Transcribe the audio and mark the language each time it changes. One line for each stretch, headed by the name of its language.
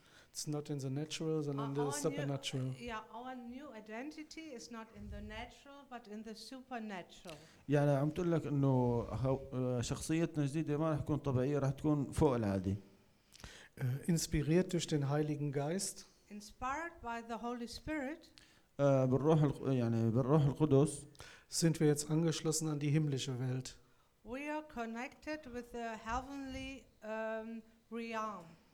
English: It's not in the natural, then in the supernatural. Our new identity is not in the natural, but in the supernatural.
Arabic: يعني عم تقول لك إنه شخصيتنا الجديدة ما رح تكون طبيعية رح تكون فوق العادي.
German: Inspiriert durch den Heiligen Geist.
English: Inspired by the Holy Spirit.
Arabic: بالروح القدس.
German: Sind wir jetzt angeschlossen an die himmlische Welt.
English: We are connected with the heavenly realm.